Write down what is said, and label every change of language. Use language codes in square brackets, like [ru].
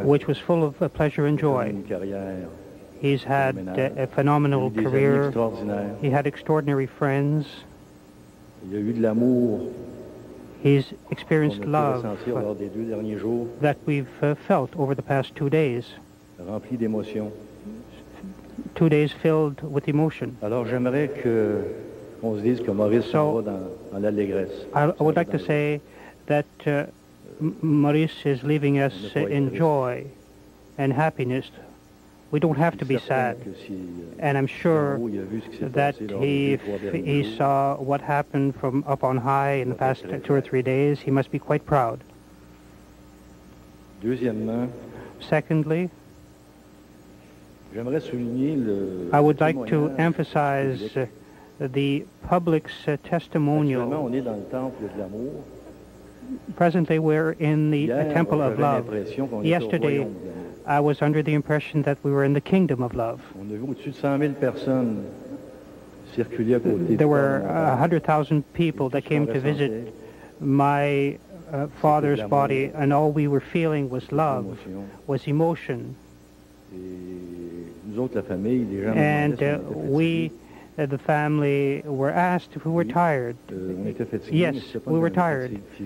[en] which was full of pleasure and joy. He's had a phenomenal career. He had extraordinary friends. [fr] Il y a eu de l'amour. [en] He's experienced love that we've felt over the past 2 days. [fr] Rempli d'émotion. [en] 2 days filled with emotion. [fr] Alors j'aimerais que on se dise que Maurice s'en va dans l'allégresse. [en] I would like to say that Maurice is leaving us in joy and happiness. We don't have to be sad, and I'm sure that he saw what happened from up on high in the past 2 or 3 days. He must be quite proud. [fr] Deuxièmement, [en] secondly, [fr] j'aimerais souligner le [en] I would like to emphasize the public's testimonial. [fr] On est dans le temple de l'amour. [en] Presently, we're in the temple of love. Yesterday, I was under the impression that we were in the kingdom of love. [fr] On a vu au-dessus de 100 000 personnes circuler à côté de [en] there were 100,000 people that came to visit my father's body, and all we were feeling was love, was emotion. [fr] Et nous autres, la famille, les gens [en] and we, The family were asked if we were tired. Yes, we were tired.